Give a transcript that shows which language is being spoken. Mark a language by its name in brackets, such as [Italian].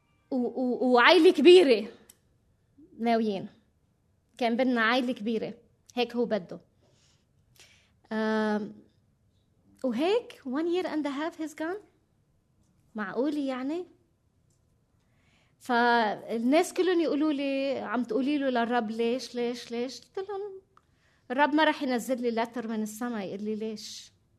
[Arabic] وعائلة كبيرة ناويين، كان بدنا عائلة كبيرة، هيك هو بده. وهيك [English] one year and a half has gone. [Arabic] معقولي يعني؟ فالناس كلهم يقولوا لي عم تقولي له للرب ليش ليش ليش، قلت لهم الرب ما رح ينزل لي لتر من السماء يقول لي ليش.